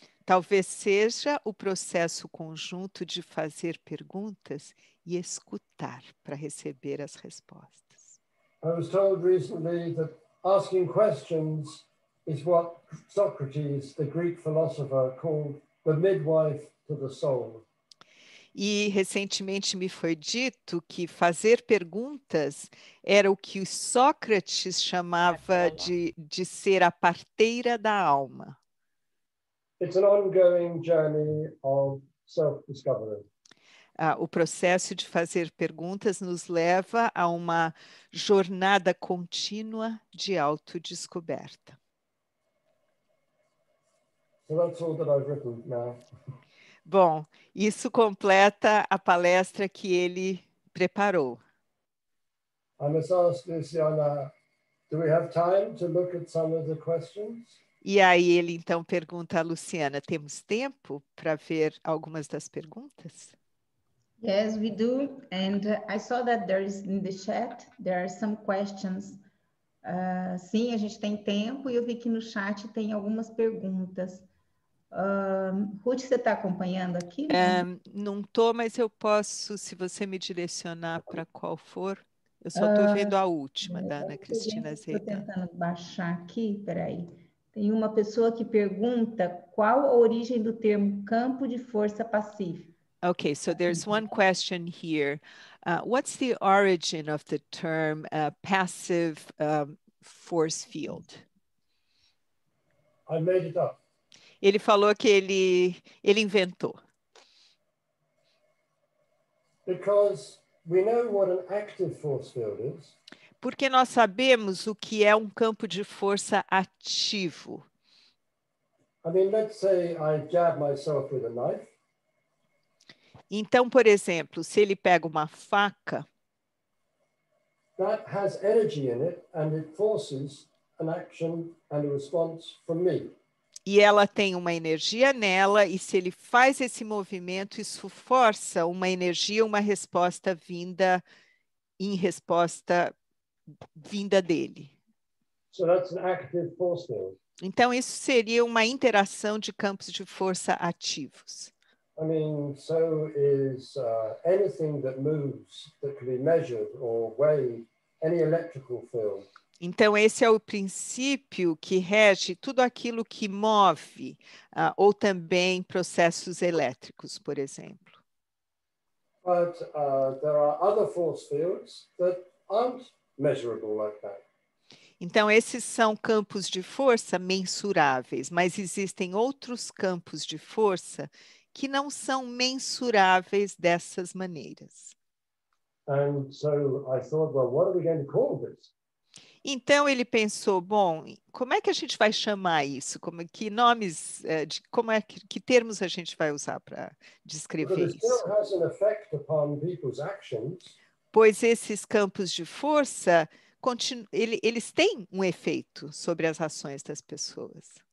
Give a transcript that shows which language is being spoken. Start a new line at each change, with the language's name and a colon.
Portuguese: Talvez seja o processo conjunto de fazer perguntas e escutar para receber as respostas.
English: I was told recently that asking questions is what Socrates, the Greek philosopher, called the midwife to the soul.
Portuguese: E recentemente me foi dito que fazer perguntas era o que Sócrates chamava de ser a parteira da alma.
English: It's an ongoing journey of self-discovery.
Portuguese: O processo de fazer perguntas nos leva a uma jornada contínua de autodescoberta.
English: So that's all that I've written now.
Portuguese: Bom, isso completa a palestra que ele preparou.
English: I must ask Luciana Do we have time to look at some of the questions?
Portuguese: E aí ele então pergunta a Luciana, temos tempo para ver algumas das perguntas?
English: Yes, we do. And I saw that there is in the chat, there are some questions.
Portuguese: Sim, a gente tem tempo e eu vi que no chat tem algumas perguntas. Ruth, você está acompanhando aqui? Não estou, mas eu posso, se você me direcionar para qual for. Eu só estou vendo a última, da Ana Cristina Zeta. Estou tentando baixar aqui, peraí. Tem uma pessoa que pergunta qual a origem do termo campo de força passiva.
English: Okay, so there's one question here. What's the origin of the term passive force field? I made it up.
Portuguese: Ele falou que ele inventou.
English: Because we know what an active force field is.
Portuguese: Porque nós sabemos o que é um campo de força ativo.
English: I mean, let's say I jab myself with a knife.
Portuguese: Então, por exemplo, se ele pega uma faca,
English: that has energy in it and it forces an action and a response from me.
Portuguese: E ela tem uma energia nela, e se ele faz esse movimento, isso força uma energia, uma resposta vinda em resposta vinda dele.
English: So that's an active force field.
Portuguese: Então, isso seria uma interação de campos de força ativos.
English: I mean, so is anything that moves that can be measured or weighed, any electrical field.
Portuguese: Então, esse é o princípio que rege tudo aquilo que move, ou também processos elétricos, por exemplo.
English: But there are other force fields that aren't measurable like that.
Portuguese: Então, esses são campos de força mensuráveis, mas existem outros campos de força que não são mensuráveis dessas maneiras.
English: And so I thought, well, what are we going to call this?
Portuguese: Então, ele pensou, bom, como é que a gente vai chamar isso? Como, que nomes, de, como é que termos a gente vai usar para descrever isso?
English: Has an effect upon people's actions.
Portuguese: Pois esses campos de força, eles têm um efeito sobre as ações das pessoas.